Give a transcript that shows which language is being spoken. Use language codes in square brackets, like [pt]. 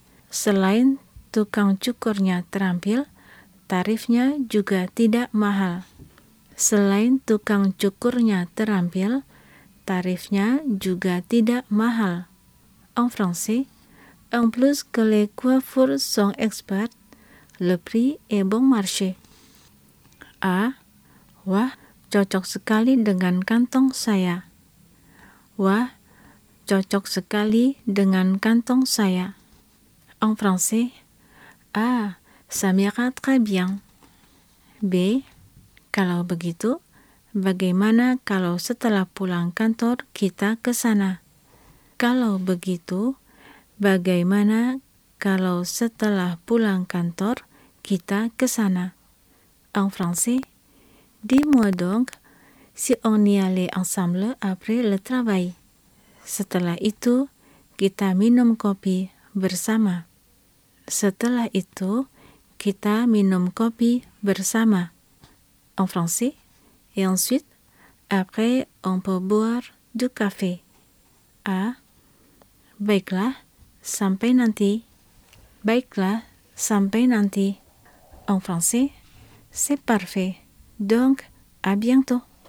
[id] Selain tukang cukurnya terampil, tarifnya juga tidak mahal. Selain tukang cukurnya terampil, tarifnya juga tidak mahal. [fr] En français, en plus que les coiffeurs sont experts, le prix est bon marché. A. [id] Wah, cocok sekali dengan kantong saya. Wah, cocok sekali dengan kantong saya. [fr] En français, ah, ça m'ira très bien. [id] B. Kalau begitu, bagaimana kalau setelah pulang kantor kita ke sana? Kalau begitu, bagaimana kalau setelah pulang kantor kita ke sana? [fr] En français, dis-moi donc si on y allait ensemble après le travail. [id] Setelah itu, kita minum kopi bersama. Setelah itu, kita minum kopi bersama. [fr] En français, et ensuite, après, on peut boire du café. A. [id] Baiklah, sampai nanti. Baiklah, sampai nanti. [fr] En français, c'est parfait. Donc, à bientôt.